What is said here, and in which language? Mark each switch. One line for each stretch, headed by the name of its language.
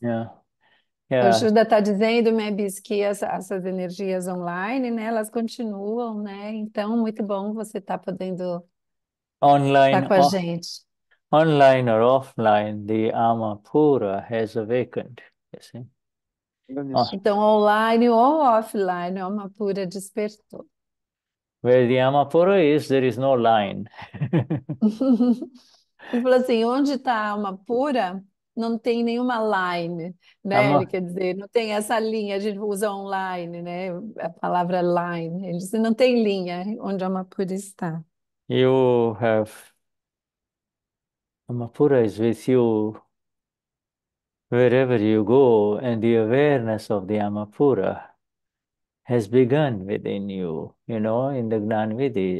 Portuguese: O Shuddha está dizendo, Mebis, que essas energias online, né, elas continuam, né? Então, muito bom você estar podendo estar Online com a gente.
English: or offline, the alma pura has awakened, you see.
Portuguese: Então, online ou offline, alma pura despertou.
English: Where the alma pura is, there is no line.
Portuguese: Ele falou assim: onde está a alma pura? Não tem nenhuma line, né? Ele Ama. quer dizer, não tem essa linha, a gente usa online, né? A palavra line. Ele disse, não tem linha onde a alma pura está.
English: You have Amapura is with you wherever you go, and the awareness of the Amapura has begun within you, in the Gnan Vidhi.